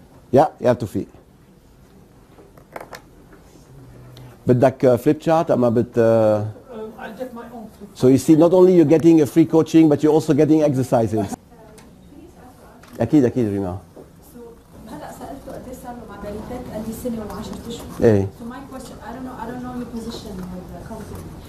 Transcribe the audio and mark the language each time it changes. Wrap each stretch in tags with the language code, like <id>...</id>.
<en>Yeah, Tufi. But like flip chart, I'm a bit... I'll get my own flip chart. So you see, not only you're getting a free coaching, but you're also getting exercises.</en> <ar>أكيد رينا. So, هلا سألته قد ايش صار له مع بيري تك؟ قال لي سنة ولا 10 أشهر. إيه.</ar> <en>So my question, I don't know your position with the company.</en>